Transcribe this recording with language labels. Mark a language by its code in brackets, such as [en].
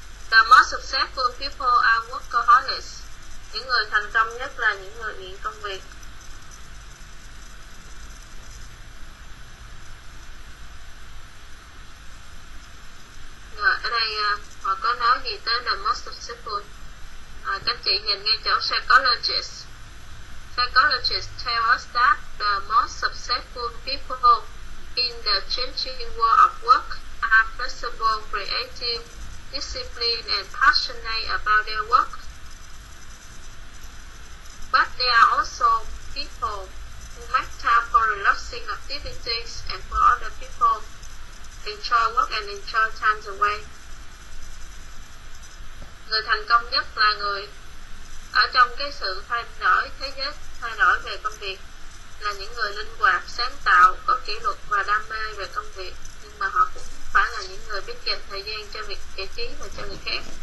[en] The most successful people are workaholics. [vi] Những người thành công nhất là những người nghiện công việc. Rồi, ở đây họ có nói gì tới [en] the most successful. [vi] Các chị nhìn ngay chỗ psychologist. [en] Psychologists tell us that the most successful people in the changing world of work are flexible, creative, disciplined and passionate about their work. But there are also people who make time for relaxing activities and for other people enjoy work and enjoy time away. [vi] Người thành công nhất là người ở trong cái sự thay đổi thế giới, thay đổi về công việc, là những người linh hoạt, sáng tạo, có kỷ luật và đam mê về công việc, nhưng mà họ cũng phải là những người biết dành thời gian cho việc giải trí và cho người khác.